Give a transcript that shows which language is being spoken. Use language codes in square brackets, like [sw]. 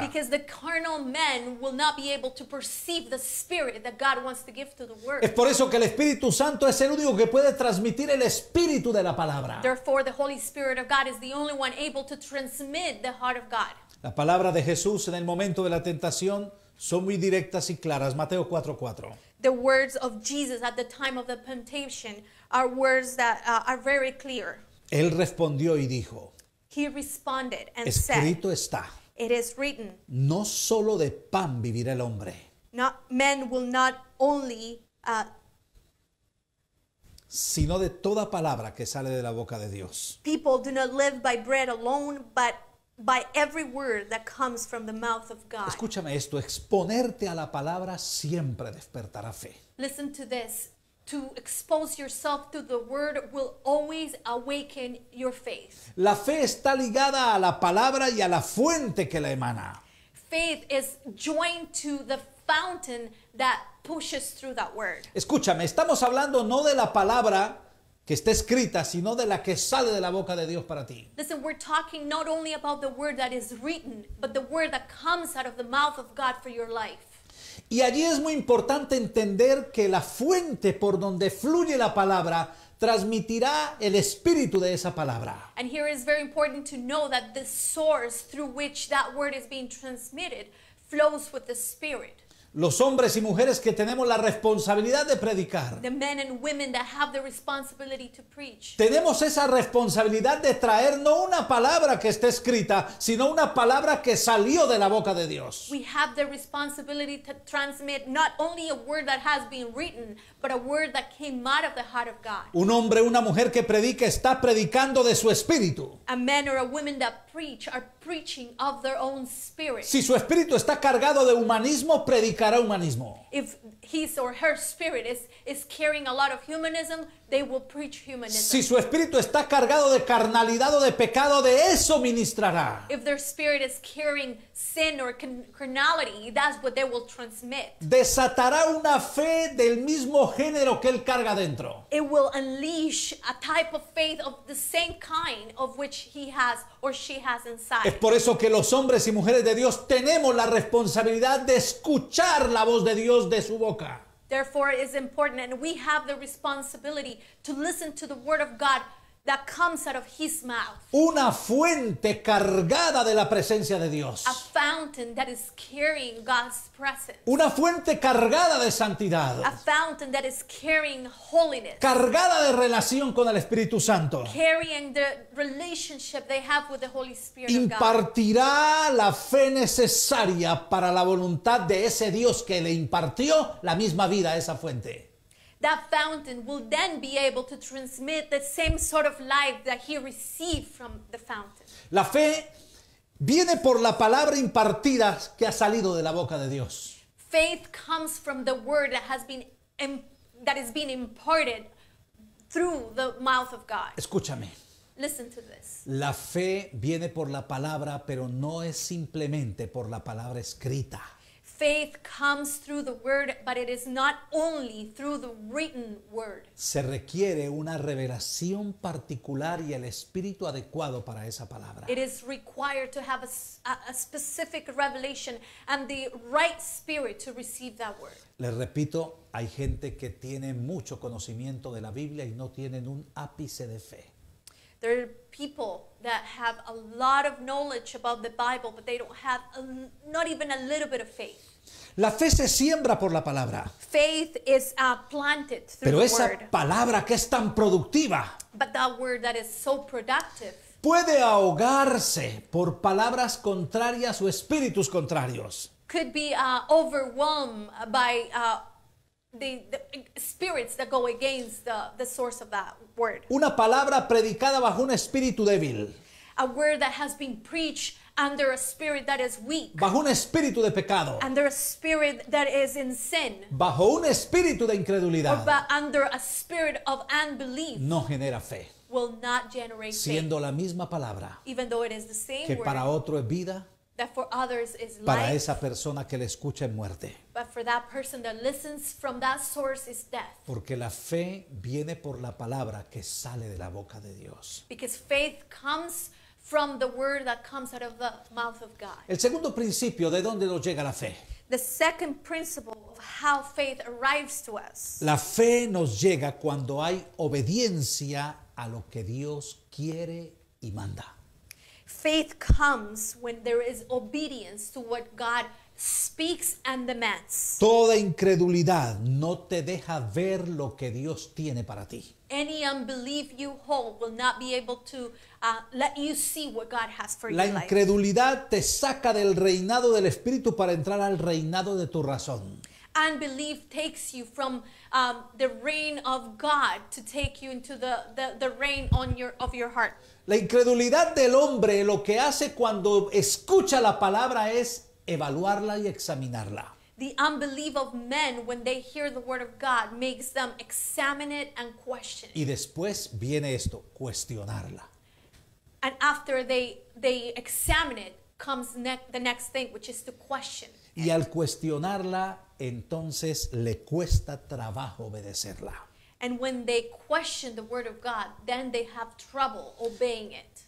[en] Because the carnal man will not be able to perceive the Spirit that God wants to give to the Word. [es] Es por eso que el Espíritu Santo es el único que puede transmitir el Espíritu de la palabra. [en] Therefore, the Holy Spirit of God is the only one able to transmit the heart of God. [es] La palabra de Jesús en el momento de la tentación son muy directas y claras. Mateo 4:4. [en] The words of Jesus at the time of the temptation are words that are very clear. [es] Él respondió y dijo. [en] He responded and [es] escrito [en] said. [es] Escrito está. [en] It is written. [es] No solo de pan vivirá el hombre. [en] Not men will not only. [es] Sino de toda palabra que sale de la boca de Dios. [en] People do not live by bread alone, but by every word that comes from the mouth of God. [es] Escúchame esto. Exponerte a la palabra siempre despertará fe. [en] Listen to this. To expose yourself to the word will always awaken your faith. [es] La fe está ligada a la palabra y a la fuente que la emana. [en] Faith is joined to the fountain that pushes through that word. [es] Escúchame, estamos hablando no de la palabra que está escrita, sino de la que sale de la boca de Dios para ti. [en] Listen, we're talking not only about the word that is written, but the word that comes out of the mouth of God for your life. [es] Y allí es muy importante entender que la fuente por donde fluye la palabra transmitirá el espíritu de esa palabra. [en] And here is very important to know that the source through which that word is being transmitted flows with the Spirit. [es] Los hombres y mujeres que tenemos la responsabilidad de predicar. [en] The men and women that have the responsibility to preach. [es] Tenemos esa responsabilidad de traer no una palabra que esté escrita, sino una palabra que salió de la boca de Dios. [en] We have the responsibility to transmit not only a word that has been written, but a word that came out of the heart of God. [es] Un hombre o una mujer que predica está predicando de su espíritu. [en] A man or a woman that preach are preaching of their own spirit. [es] Si su espíritu está cargado de humanismo, predicará humanismo. [en] If his or her spirit is carrying a lot of humanism, they will preach humanism. [es] Si su espíritu está cargado de carnalidad o de pecado, de eso ministrará. [en] If their spirit is carrying sin or carnality, that's what they will transmit. [es] Desatará una fe del mismo género que él carga dentro. [en] It will unleash a type of faith of the same kind of which he has or she has inside. [es] Es por eso que los hombres y mujeres de Dios tenemos la responsabilidad de escuchar la voz de Dios de su boca. [en] Therefore, it is important, and we have the responsibility to listen to the word of God that comes out of his mouth. [es] Una fuente cargada de la presencia de Dios. [en] A fountain that is carrying God's presence. [es] Una fuente cargada de santidad. [en] A fountain that is carrying holiness. [es] Cargada de relación con el Espíritu Santo. [en] Carrying the relationship they have with the Holy Spirit. [es] Impartirá [en] of God. [es] La fe necesaria para la voluntad de ese Dios que le impartió la misma vida a esa fuente. [en] That fountain will then be able to transmit the same sort of life that he received from the fountain. [es] La fe viene por la palabra impartida que ha salido de la boca de Dios. [en] Faith comes from the word that has been that is being imparted through the mouth of God. [es] Escúchame. [en] Listen to this. [es] La fe viene por la palabra, pero no es simplemente por la palabra escrita. [en] faith comes through the word, but it is not only through the written word. [es] Se requiere una revelación particular y el espíritu adecuado para esa palabra. [en] It is required to have a specific revelation and the right spirit to receive that word. [es] Le repito, hay gente que tiene mucho conocimiento de la Biblia y no tienen un ápice de fe. [en] There are people that have a lot of knowledge about the Bible, but they don't have not even a little bit of faith. [es] La fe se siembra por la palabra. [en] Faith is planted through [es] Pero [en] the word. [es] Pero esa palabra que es tan productiva. [en] But that word that is so productive. [es] Puede ahogarse por palabras contrarias o espíritus contrarios. [en] Could be overwhelmed by the spirits that go against the source of that word. [es] Una palabra predicada bajo un espíritu débil. [en] A word that has been preached under a spirit that is weak. [es] Bajo un espíritu de pecado. [en] Under a spirit that is in sin. [es] Bajo un espíritu de incredulidad. [en] Or under a spirit of unbelief. [es] No genera fe. [en] Will not generate faith. [es] Siendo la misma palabra. [en] Even though it is the same word. [es] Que para otro es vida. [en] That for others is life. [es] Para esa persona que le escucha es muerte. [en] But for that person that listens from that source is death. [es] Porque la fe viene por la palabra que sale de la boca de Dios. [en] Because faith comes from the word that comes out of the mouth of God. [es] El segundo principio, ¿de dónde nos llega la fe? [en] The second principle of how faith arrives to us. [es] La fe nos llega cuando hay obediencia a lo que Dios quiere y manda. [en] Faith comes when there is obedience to what God speaks and demands. [es] Toda incredulidad no te deja ver lo que Dios tiene para ti. [en] Any unbelief you hold will not be able to let you see what God has for your life. [es] La incredulidad te saca del reinado del espíritu para entrar al reinado de tu razón. [en] Unbelief takes you from the reign of God to take you into the reign on of your heart. [es] La incredulidad del hombre lo que hace cuando escucha la palabra es evaluarla y examinarla. [en] The unbelief of men when they hear the word of God makes them examine it and question it. [es] Y después viene esto, cuestionarla. [en] And after they examine it comes the next thing, which is to question it. [es] Y al cuestionarla, entonces le cuesta trabajo obedecerla. [en] And when they question the word of God, then they have trouble obeying it.